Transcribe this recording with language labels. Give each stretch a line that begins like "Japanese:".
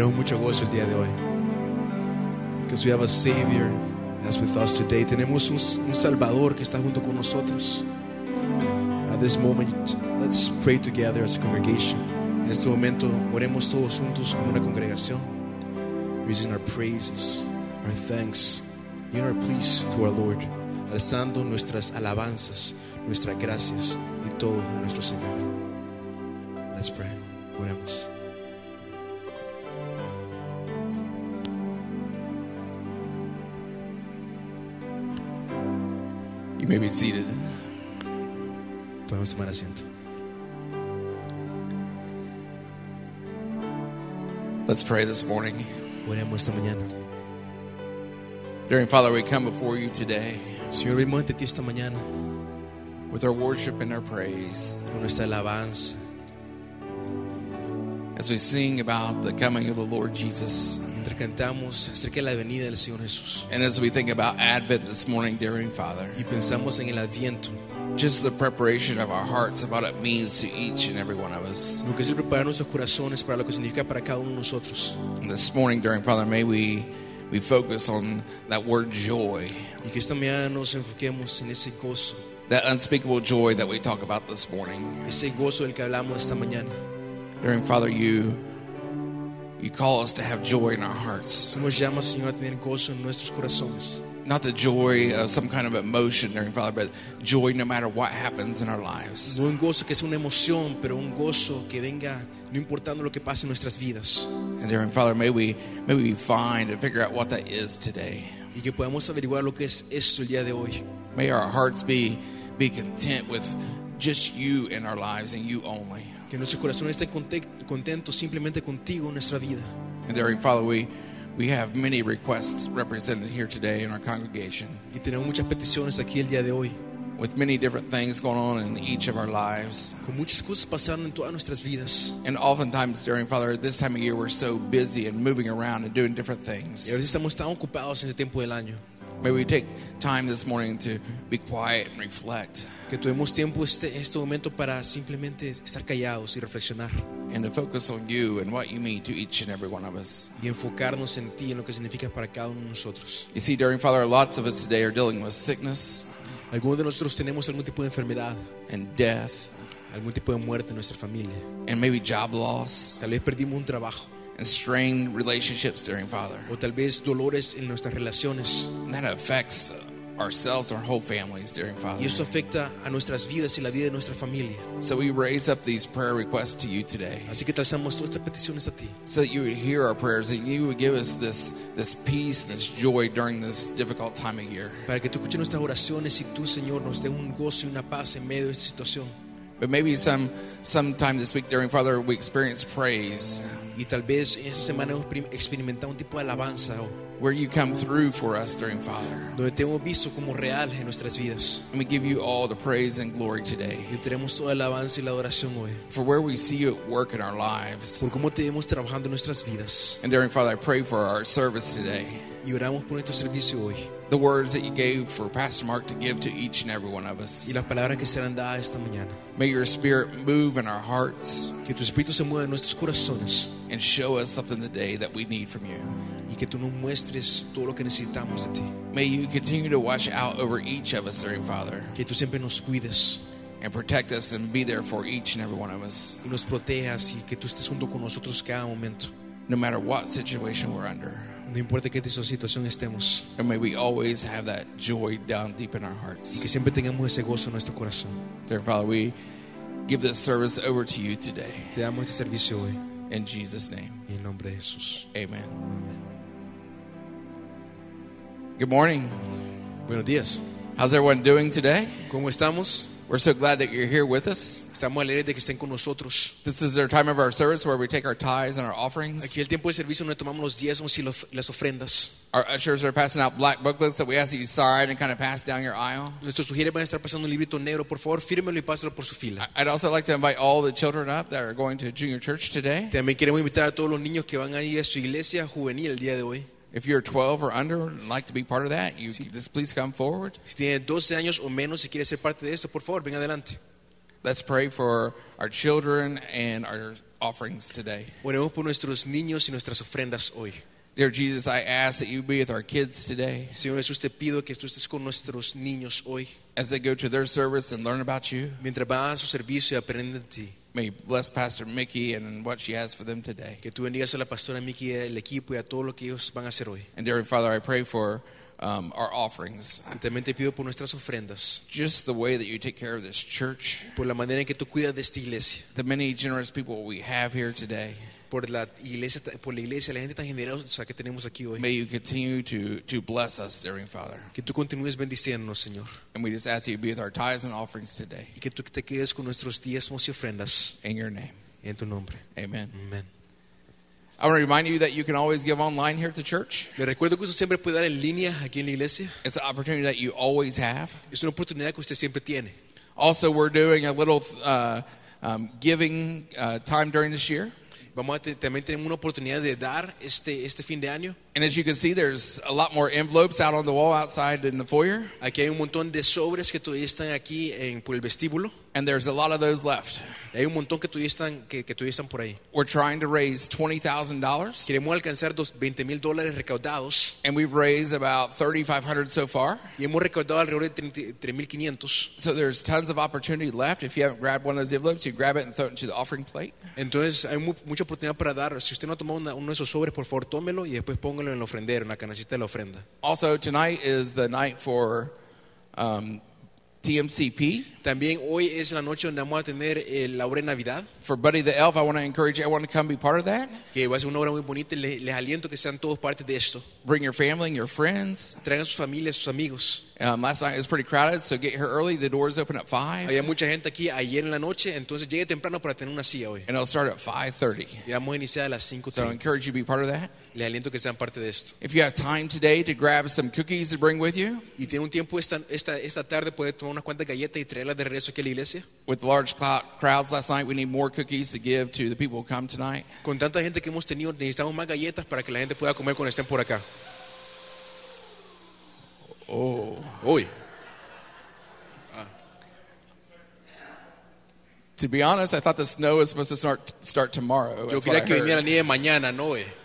English: We have a Savior that's with us today.
Spanish: Tenemos un Salvador que está junto con nosotros.
English: At this moment, let's pray together as a congregation.
Spanish: En este momento, oremos todos juntos como una congregación,
English: raising our praises, our thanks, and our pleas to our Lord,
Spanish: alzando nuestras alabanzas, nuestras gracias y todo a nuestro Señor.
English: Let's pray.
Spanish: Oremos.
English: You may be seated.
Spanish: Tomemos tomar asiento.
English: Let's pray this morning.
Spanish: Oremos esta mañana.
English: Dearing Father, we come before you today.
Spanish: Señor, venimos ante ti esta mañana.
English: With our worship and our praise.
Spanish: Con nuestra alabanza.
English: As we sing about the coming of the Lord Jesus.
Spanish: Mientras cantamos acerca de la venida del Señor Jesús.
English: And as we think about Advent this morning, Dearing Father.
Spanish: Y pensamos en el Adviento.
English: Just the preparation of our hearts of what it means to each and every one of us.
Spanish: Lo que es preparar nuestros corazones para lo que significa para cada uno de nosotros.
English: And this morning, Dearing Father, may we focus on that word joy.
Spanish: Y que esta mañana nos enfoquemos en ese gozo.
English: That unspeakable joy that we talk about this morning.
Spanish: Ese gozo del que hablamos esta mañana.
English: Dearing Father, you call us to have joy in our hearts.
Spanish: Nos llama, Señor, a tener gozo en nuestros corazones.
English: Not the joy of some kind of emotion, Dearing Father, but joy no matter what happens in our lives.
Spanish: No un gozo que sea una emoción, pero un gozo que venga no importando lo que pase en nuestras vidas.
English: And Dearing Father, may we find and figure out what that is today.
Spanish: Y que podamos averiguar lo que es esto el día de hoy.
English: May our hearts be content with just you in our lives and you only.
Spanish: Que nuestro corazón esté contento simplemente contigo en nuestra vida.
English: And Dearing Father, we have many requests represented here today in our congregation.
Spanish: Y tenemos muchas peticiones aquí el día de hoy.
English: With many different things going on in each of our lives.
Spanish: Con muchas cosas pasando en todas nuestras vidas.
English: And oftentimes, Dearing Father, this time of year we're so busy and moving around and doing different things.
Spanish: Y a veces estamos tan ocupados en ese tiempo del año.
English: May we take time this morning to be quiet and reflect.
Spanish: Que tuvimos tiempo este momento para simplemente estar callados y reflexionar.
English: And to focus on you and what you mean to each and every one of us.
Spanish: Y enfocarnos en ti y en lo que significa para cada uno de nosotros.
English: You see, Dearing Father, lots of us today are dealing with sickness.
Spanish: Algunos de nosotros tenemos algún tipo de enfermedad.
English: And death.
Spanish: Algún tipo de muerte en nuestra familia.
English: And maybe job loss.
Spanish: Tal vez perdimos un trabajo.
English: And strained relationships, Dearing Father.
Spanish: O tal vez dolores en nuestras relaciones.
English: And that affects ourselves, our whole families, Dearing Father.
Spanish: Y esto afecta a nuestras vidas y la vida de nuestra familia.
English: So we raise up these prayer requests to you today.
Spanish: Así que trazamos todas estas peticiones a ti.
English: So that you would hear our prayers and you would give us this peace, this joy during this difficult time of year.
Spanish: Para que tú escuches nuestras oraciones y tú, Señor, nos dé un gozo y una paz en medio de esta situación.
English: But maybe sometime this week, Dearing Father, we experience praise.
Spanish: Y tal vez esta semana hemos experimentado un tipo de alabanza.
English: Where you come through for us, Dearing Father.
Spanish: Donde te hemos visto como real en nuestras vidas.
English: And we give you all the praise and glory today.
Spanish: Y tenemos toda alabanza y la adoración hoy.
English: For where we see you at work in our lives.
Spanish: Por cómo te vemos trabajando en nuestras vidas.
English: And Dearing Father, I pray for our service today.
Spanish: Y oramos por nuestro servicio hoy.
English: The words that you gave for Pastor Mark to give to each and every one of us.
Spanish: Y las palabras que serán dadas esta mañana.
English: May your spirit move in our hearts.
Spanish: Que tu espíritu se mueva en nuestros corazones.
English: And show us something today that we need from you.
Spanish: Y que tú nos muestres todo lo que necesitamos de ti.
English: May you continue to watch out over each of us, Dearing Father.
Spanish: Que tú siempre nos cuides.
English: And protect us and be there for each and every one of us.
Spanish: Y nos protejas y que tú estés junto con nosotros cada momento.
English: No matter what situation we're under.
Spanish: No importa qué situación estemos.
English: And may we always have that joy down deep in our hearts.
Spanish: Y que siempre tengamos ese gozo en nuestro corazón.
English: Dear Father, we give this service over to you today.
Spanish: Te damos este servicio hoy.
English: In Jesus' name.
Spanish: Y en nombre de Jesús.
English: Amen.
Spanish: Amen.
English: Good morning.
Spanish: Buenos días.
English: How's everyone doing today?
Spanish: ¿Cómo estamos?
English: We're so glad that you're here with us.
Spanish: Estamos alegres de que estén con nosotros.
English: This is our time of our service where we take our tithes and our offerings.
Spanish: Aquí el tiempo de servicio donde tomamos los diezmos y las ofrendas.
English: Our ushers are passing out black booklets that we ask that you sign and kind of pass down your aisle.
Spanish: Nuestros sugieres van a estar pasando un librito negro. Por favor, fírmelo y páselo por su fila.
English: I'd also like to invite all the children up that are going to junior church today.
Spanish: También queremos invitar a todos los niños que van a ir a su iglesia juvenil el día de hoy.
English: If you're 12 or under and like to be part of that, you just please come forward.
Spanish: Si tiene 12 años o menos y quiere ser parte de esto, por favor, venga adelante.
English: Let's pray for our children and our offerings today.
Spanish: Oremos por nuestros niños y nuestras ofrendas hoy.
English: Dear Jesus, I ask that you be with our kids today.
Spanish: Señor Jesús, te pido que tú estés con nuestros niños hoy.
English: As they go to their service and learn about you.
Spanish: Mientras van a su servicio y aprenden de ti.
English: May you bless Pastor Mickey and what she has for them today.
Spanish: Que tú bendigas a la pastora Mickey, el equipo y a todo lo que ellos van a hacer hoy.
English: And Dearing Father, I pray for our offerings.
Spanish: También te pido por nuestras ofrendas.
English: Just the way that you take care of this church.
Spanish: Por la manera en que tú cuidas de esta iglesia.
English: The many generous people we have here today.
Spanish: Por la iglesia, la gente tan generosa que tenemos aquí hoy.
English: May you continue to bless us, dear Father.
Spanish: Que tú continúes bendiciéndonos, Señor.
English: And we just ask that you be with our tithes and offerings today.
Spanish: Y que tú te quedes con nuestros diezmos y ofrendas.
English: In your name.
Spanish: En tu nombre.
English: Amen.
Spanish: Amen.
English: I want to remind you that you can always give online here at the church.
Spanish: Le recuerdo que usted siempre puede dar en línea aquí en la iglesia.
English: It's an opportunity that you always have.
Spanish: Es una oportunidad que usted siempre tiene.
English: Also, we're doing a little giving time during this year.
Spanish: También tenemos una oportunidad de dar este fin de año.
English: And as you can see, there's a lot more envelopes out on the wall outside in the foyer.
Spanish: Aquí hay un montón de sobres que todavía están aquí por el vestíbulo.
English: And there's a lot of those left.
Spanish: Hay un montón que todavía están por ahí.
English: We're trying to raise $20,000.
Spanish: Queremos alcanzar $20,000 recaudados.
English: And we've raised about $3,500 so far.
Spanish: Y hemos recaudado alrededor de 3,500.
English: So there's tons of opportunity left. If you haven't grabbed one of those envelopes, you grab it and throw it into the offering plate.
Spanish: Entonces hay mucha oportunidad para dar. Si usted no ha tomado uno de esos sobres, por favor tómelo y después póngalo en el ofrendero, en la canasta de la ofrenda.
English: Also, tonight is the night for TMCP.
Spanish: También hoy es la noche donde vamos a tener la obra de Navidad.
English: For Buddy the Elf, I want to encourage everyone to come be part of that.
Spanish: Que va a ser una obra muy bonita. Les aliento que sean todos parte de esto.
English: Bring your family and your friends.
Spanish: Traigan sus familias, sus amigos.
English: Last night it was pretty crowded, so get here early. The doors open at 5.
Spanish: Había mucha gente aquí ayer en la noche, entonces llegue temprano para tener una silla hoy.
English: And it'll start at 5:30.
Spanish: Y vamos a iniciar a las 5:30.
English: So I encourage you to be part of that.
Spanish: Les aliento que sean parte de esto.
English: If you have time today to grab some cookies to bring with you.
Spanish: Y tiene un tiempo esta tarde, puede tomar unas cuantas galletas y traerlas de regreso aquí a la iglesia.
English: With large crowds last night, we need more cookies to give to the people who come tonight.
Spanish: Con tanta gente que hemos tenido, necesitamos más galletas para que la gente pueda comer cuando estén por acá. Oh, uy.
English: To be honest, I thought the snow was supposed to start tomorrow.
Spanish: Yo creía que viniera nieve mañana, no, eh.